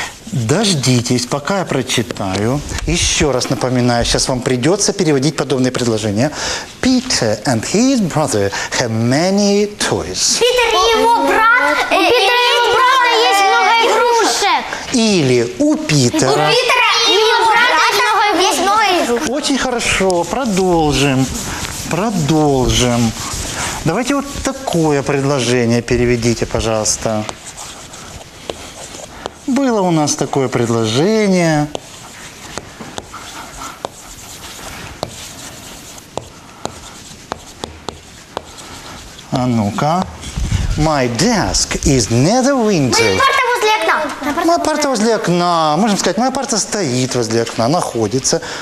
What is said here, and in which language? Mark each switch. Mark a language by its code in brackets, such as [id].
[ru] Дождитесь, пока я прочитаю. Еще раз напоминаю, сейчас вам придется переводить подобные предложения. [en] Peter and his brother have many toys. [ru] Питер и его брат, у Питера и его брата есть много игрушек. Или у Питера. У Питера и его брата есть много игрушек. Очень хорошо, продолжим. Продолжим. Давайте вот такое предложение переведите, пожалуйста. Было у нас такое предложение. А ну-ка. [en] My desk is near the window. [ru] Моя парта возле окна. Моя парта возле окна. Можем сказать, моя парта стоит возле окна, находится.